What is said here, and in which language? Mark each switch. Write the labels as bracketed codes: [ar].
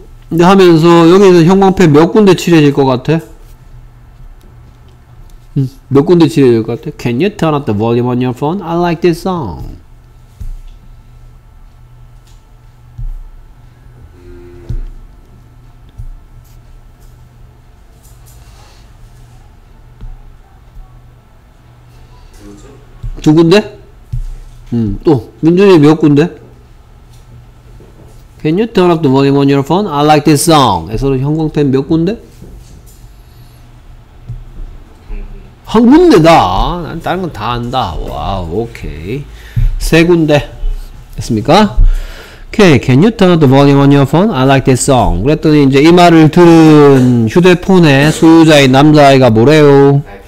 [ko] 근데 하면서 여기는 형광펜 몇 군데 칠해질 것 같아? 몇 군데 칠해질 것 같아? [en] Can you turn up the volume on your phone? I like this song. [ko] 두 군데? 또 민준이 몇 군데? [en] Can you turn up the volume on your phone? I like this song. [ko] 에서 형광펜 몇 군데? 한 군데다. 난 다른 건 다 안다. 와우, 오케이. 세 군데. 됐습니까? [en] Okay, can you turn up the volume on your phone? I like this song. [ko] 그랬더니 이제 이 말을 들은 휴대폰의 소유자인 남자아이가 뭐래요?